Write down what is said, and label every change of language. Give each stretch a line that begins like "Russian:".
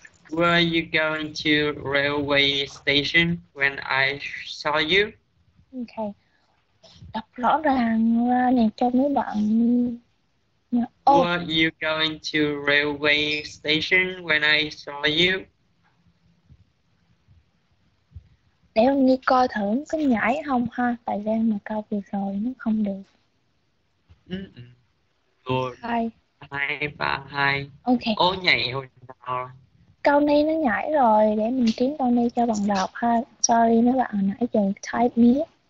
English: Were you going to railway station when I saw you? Okay.
Vietnamese: Đọc rõ ràng ra này cho mấy bạn.
English: Were you going to railway station when I saw you?
Vietnamese: Để mình đi coi thử có nhảy không ha. Tại gian mà câu vừa rồi nó không được. Hai ba hai.
English: Ok.
Vietnamese: Ô nhảy hồi nào. Câu này nó nhảy rồi. Để mình kiếm câu này cho bạn đọc ha. Sorry mấy bạn nãy giờ type miết.